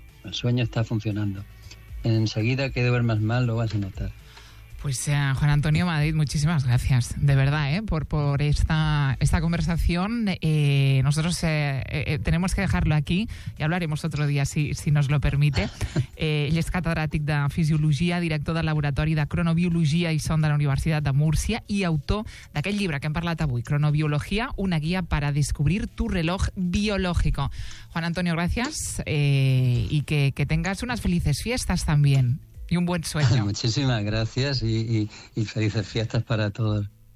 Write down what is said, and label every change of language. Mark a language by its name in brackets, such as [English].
[Spanish] El sueño está funcionando. Enseguida que duermas mal, lo vas a notar. Pues Juan Antonio Madrid, muchísimas gracias, de verdad, por esta conversación. Nosotros tenemos que dejarlo aquí y hablaremos otro día, si nos lo permite. [Catalan] Ell és catedràtic de Fisiologia, director del Laboratori de Cronobiologia i Son de la Universitat de Múrcia i autor d'aquest llibre que hem parlat avui, Cronobiologia, una guia per a descobrir tu reloj biológico. [Spanish] Juan Antonio, gracias y que tengas unas felices fiestas también. Y un buen sueño. Muchísimas gracias y felices fiestas para todos.